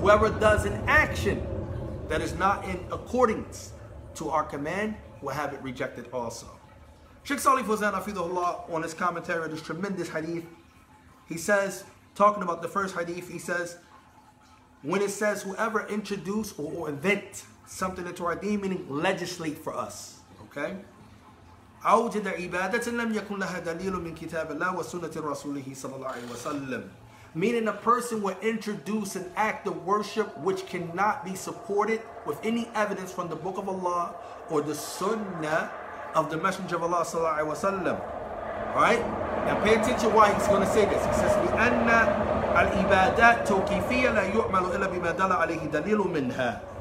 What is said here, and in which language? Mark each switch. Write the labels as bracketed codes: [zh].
[en] Whoever does an action that is not in accordance to our command will have it rejected also. Sheikh Salih Fawzan Hafidhullah on his commentary, this tremendous hadith, he says, talking about the first hadith, he says, when it says whoever introduce or invent something into our deen, meaning legislate for us. Okay? [ar] أوجد عبادة لم يكن لها دليل من كتاب الله وسنة رسوله صلى الله عليه وسلم. [en] Meaning a person will introduce an act of worship which cannot be supported with any evidence from the Book of Allah or the Sunnah of the Messenger of Allah [ar] صلى الله عليه وسلم. [en] Right? Now pay attention why he's going to say this. He says [ar] لأن العبادات توقيفية لا يعمل إلا بما دل عليه دليل منها.